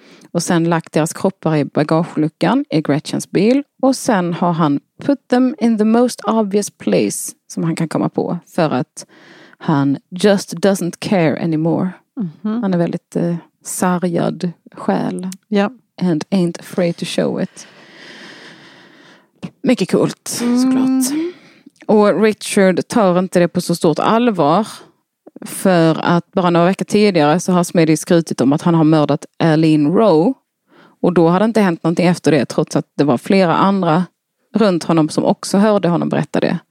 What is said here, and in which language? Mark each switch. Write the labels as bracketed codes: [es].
[sv] Och sen lagt deras kroppar i bagageluckan i Gretchens bil. Och sen har han [en] put them in the most obvious place [sv] som han kan komma på. För att han [en] just doesn't care anymore. Mm-hmm. [sv] Han är väldigt sargad själ. [en] Yeah. And ain't afraid to show it. [sv] Mycket coolt, såklart. Och Richard tar inte det på så stort allvar. För att bara några veckor tidigare så har Smitty skrutit om att han har mördat Eileen Rowe. Och då hade inte hänt någonting efter det, trots att det var flera andra runt honom som också hörde honom berätta det.